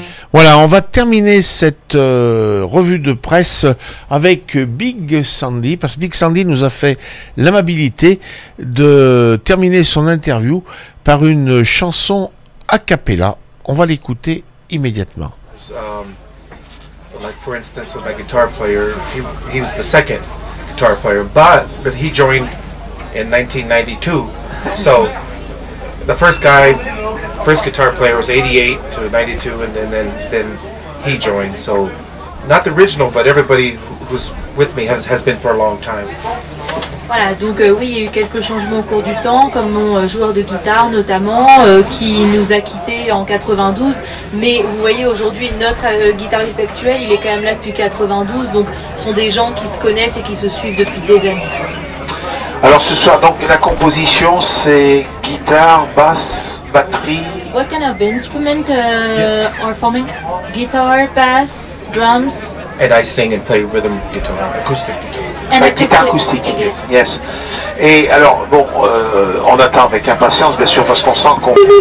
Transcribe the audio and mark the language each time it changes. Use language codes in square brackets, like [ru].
[fr] Voilà, on va terminer cette revue de presse avec Big Sandy, parce que Big Sandy nous a fait l'amabilité de terminer son interview par une chanson a cappella. On va l'écouter immédiatement. [en] Like for instance with my guitar player, he was the second guitar player, but he joined in 1992. So the first guy, first guitar player was 88 to 92, and then he joined. So not the original, but everybody who's with me has been for a long time. [fr] Voilà, donc oui, il y a eu quelques changements au cours du temps, comme mon joueur de guitare notamment, qui nous a quittés en 92. Mais vous voyez, aujourd'hui, notre guitariste actuel, il est quand même là depuis 92, donc ce sont des gens qui se connaissent et qui se suivent depuis des années. Alors ce soir, donc la composition, c'est guitare, basse, batterie. [en] What kind of instrument are forming? Guitar, bass, drums. And I sing and play rhythm guitar, acoustic guitar. [fr] La guitare acoustique, [en] yes. [fr] Et alors, bon, on attend avec impatience, bien sûr, parce qu'on sent qu'on...